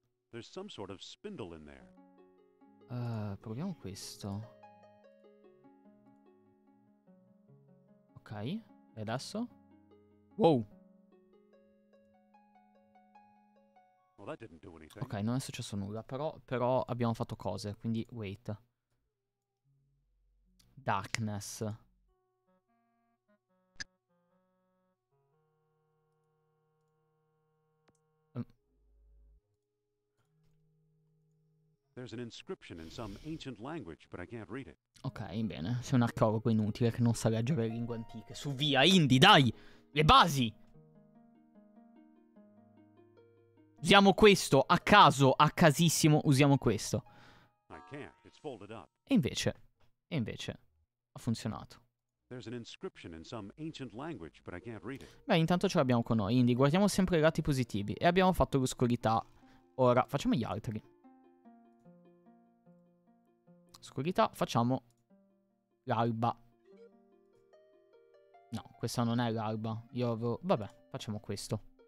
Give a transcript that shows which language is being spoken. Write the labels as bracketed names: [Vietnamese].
[English] There's some sort of spindle in there. [Italian] Proviamo questo. Ok, e adesso? Wow! [English] Well, that didn't do anything. [Italian] Ok, non è successo nulla, però abbiamo fatto cose, quindi wait. [English] Darkness. There's an inscription in some ancient language, but I can't read it. [Italian] Ok, bene, sei un archeologo inutile che non sa leggere lingue antiche. Su via, Indy, dai! Le basi! Usiamo questo, a caso, a casissimo, usiamo questo. [English] I can't. It's folded up. [Italian] E invece, ha funzionato. [English] There's an inscription in some ancient language, but I can't read it. [Italian] Beh, intanto ce l'abbiamo con noi, quindi guardiamo sempre i lati positivi. E abbiamo fatto l'oscurità. Ora, facciamo gli altri. Oscurità, facciamo l'alba. No, questa non è l'alba. Vabbè, facciamo questo.